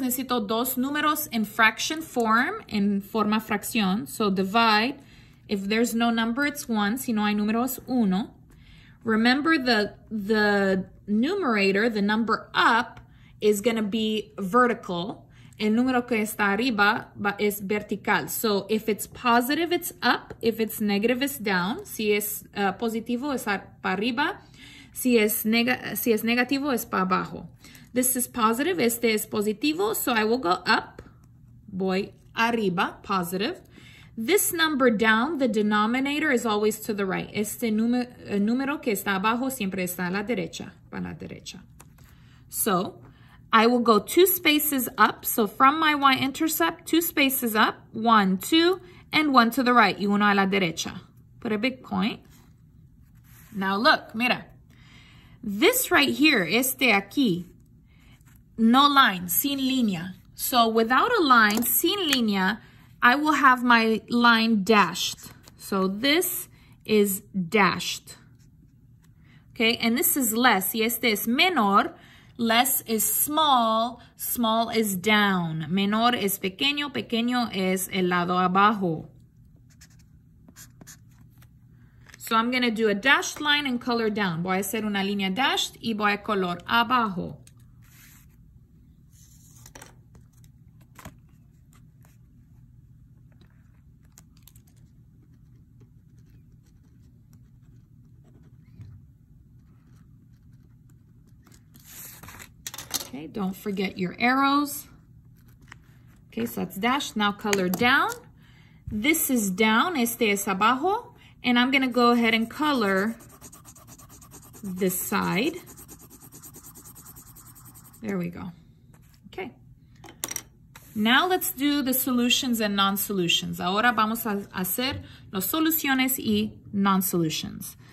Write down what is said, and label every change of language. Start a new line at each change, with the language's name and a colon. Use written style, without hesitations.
Spanish: Necesito 2 números
English: in fraction form,
Spanish: in forma fracción.
English: So divide. If there's no number, it's 1.
Spanish: Si no hay número, es 1.
English: Remember, the numerator, the number up, is going to be vertical.
Spanish: El número que está arriba es vertical.
English: So if it's positive, it's up. If it's negative, it's down.
Spanish: Si es positivo, es para arriba. Si es negativo, es para abajo.
English: This is positive.
Spanish: Este es positivo.
English: So I will go up.
Spanish: Voy arriba.
English: Positive. This number down, the denominator, is always to the right.
Spanish: Este número que está abajo siempre está a la derecha, para la derecha.
English: So I will go 2 spaces up. So from my y-intercept, 2 spaces up, 1, 2, and 1 to the right,
Spanish: y uno a la derecha.
English: Put a big point. Now look, mira. This right here,
Spanish: este aquí,
English: no line,
Spanish: sin línea.
English: So without a line,
Spanish: sin línea,
English: I will have my line dashed. So this is dashed. Okay, and this is less.
Spanish: Y este es menor.
English: Less is small. Small is down.
Spanish: Menor es pequeño. Pequeño es el lado abajo.
English: So I'm going to do a dashed line and color down.
Spanish: Voy a hacer una línea dashed y voy a color abajo.
English: Don't forget your arrows. Okay, so that's dashed. Now color down. This is down.
Spanish: Este es abajo.
English: And I'm going to go ahead and color this side. There we go. Okay. Now let's do the solutions and non-solutions.
Spanish: Ahora vamos a hacer las soluciones y non-solutions.